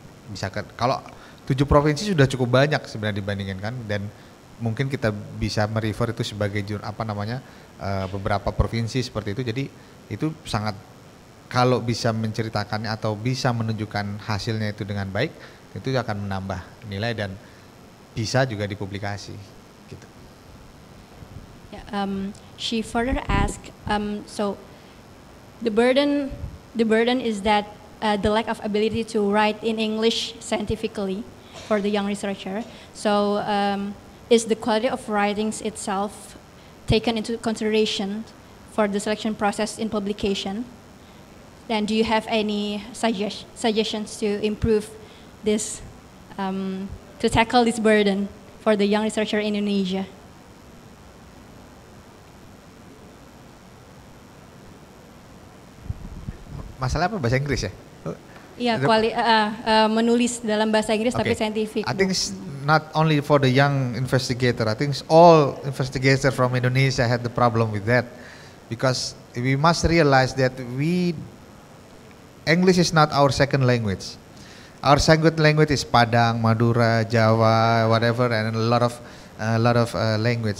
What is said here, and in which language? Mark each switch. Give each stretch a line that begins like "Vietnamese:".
Indonesian: Misalkan kalau 7 provinsi sudah cukup banyak sebenarnya dibandingkan kan, dan mungkin kita bisa merefer itu sebagai jurnal, apa namanya, beberapa provinsi seperti itu. Jadi itu sangat, kalau bisa menceritakannya atau bisa menunjukkan hasilnya itu dengan baik, itu akan menambah nilai dan bisa juga dipublikasi. Gitu.
English: Yeah, she further asked, so the burden is that the lack of ability to write in English scientifically for the young researcher. So is the quality of writings itself taken into consideration for the selection process in publication? Then do you have any suggestions to improve this, to tackle this burden for the young researcher in Indonesia?
Indonesian: Masalah apa, bahasa Inggris ya? Iya, menulis dalam bahasa Inggris, okay. Tapi scientific.
English: I think it's not only for the young investigator, I think all investigators from Indonesia had the problem with that. Because we must realize that we English is not our second language. Our second language is Padang, Madura, Jawa, whatever, and a lot of language.